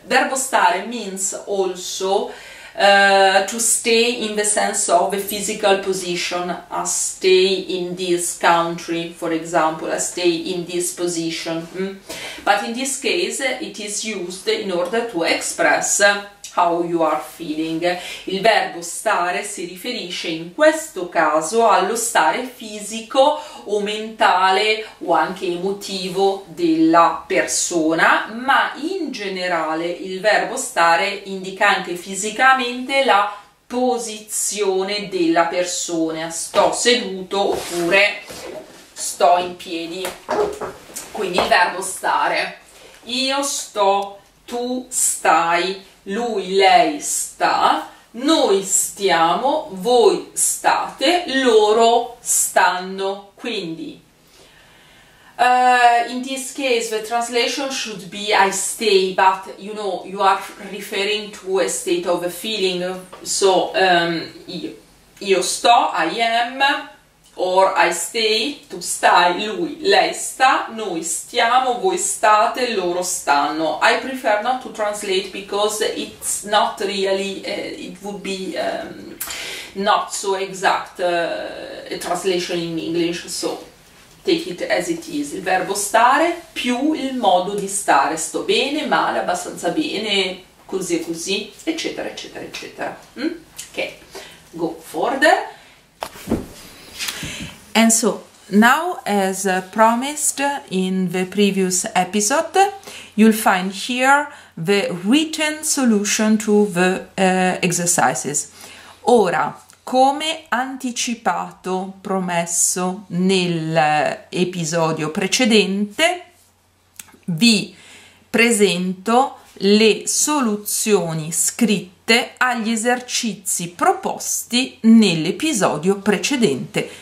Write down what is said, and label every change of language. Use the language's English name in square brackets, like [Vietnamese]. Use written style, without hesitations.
[English] Verbo stare means also to stay in the sense of a physical position, a stay in this country, for example, a stay in this position. But in this case it is used in order to express how you are feeling. [Italian] Il verbo stare si riferisce in questo caso allo stare fisico o mentale o anche emotivo della persona, ma in generale il verbo stare indica anche fisicamente la posizione della persona. Sto seduto oppure sto in piedi. Quindi il verbo stare. Io sto, tu stai, lui, lei sta, noi stiamo, voi state, loro stanno. [English] Quindi, in this case the translation should be I stay, but you know, you are referring to a state of a feeling. [Italian] So, io sto, [English] I am, or I stay, [Italian] tu stai, lui, lei sta, noi stiamo, voi state, loro stanno. [English] I prefer not to translate because it's not really, it would be not so exact translation in English, so take it as it is. [Italian] Il verbo stare più il modo di stare. Sto bene, male, abbastanza bene, così e così, eccetera, eccetera, eccetera. [English] Ok, go further. And so, now as promised in the previous episode, you'll find here the written solution to the exercises. [Italian] Ora, come anticipato, promesso nell'episodio precedente, vi presento le soluzioni scritte agli esercizi proposti nell'episodio precedente.